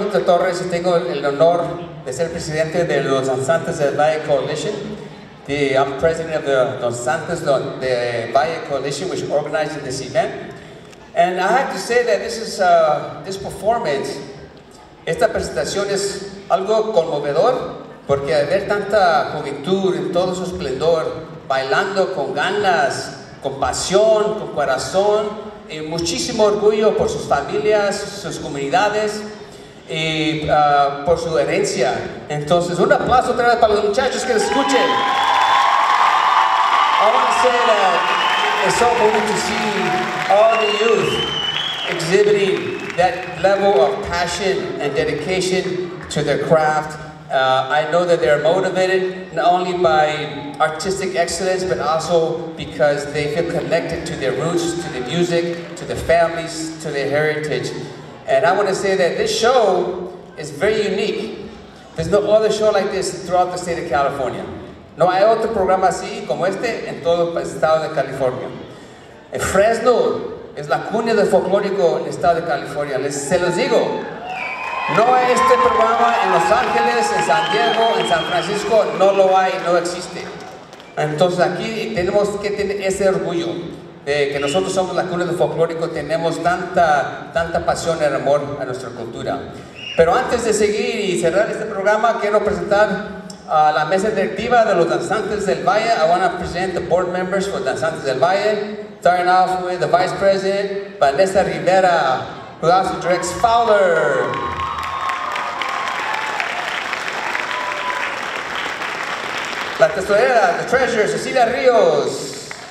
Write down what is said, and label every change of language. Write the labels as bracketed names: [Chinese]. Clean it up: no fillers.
[Spanish] Victor Torres y tengo el honor de ser presidente de los Danzantes del Valle Coalition. [English] I'm president of the Danzantes del Valle Coalition, which organized this event. And I have to say that this performance, [Spanish] esta presentación es algo conmovedor, porque al ver tanta juventud en todo su esplendor, bailando con ganas, con pasión, con corazón, y muchísimo orgullo por sus familias, sus comunidades, y por su herencia. Entonces, un aplauso otra vez para los muchachos que les escuchen. [English] I want to say that it's so moving to see all the youth exhibiting that level of passion and dedication to their craft. I know that they're motivated not only by artistic excellence, but also because they feel connected to their roots, to the music, to the families, to their heritage. And I want to say that this show is very unique. There's no other show like this throughout the state of California. [Spanish] No hay otro programa así como este en todo el estado de California. El Fresno es la cuna del folclórico en el estado de California. Se los digo. No hay este programa en Los Ángeles, en San Diego, en San Francisco. No lo hay, no existe. Entonces aquí tenemos que tener ese orgullo de que nosotros somos la cuna del folclórico. Tenemos tanta pasión y amor a nuestra cultura. Pero antes de seguir y cerrar este programa, quiero presentar a la mesa directiva de los Danzantes del Valle. [English] I want to present the board members for Danzantes del Valle. Starting off with the Vice President, Vanessa Rivera, who also directs Fowler. [Spanish] La Tesorera, [English] the Treasurer, [Spanish] Cecilia Rios.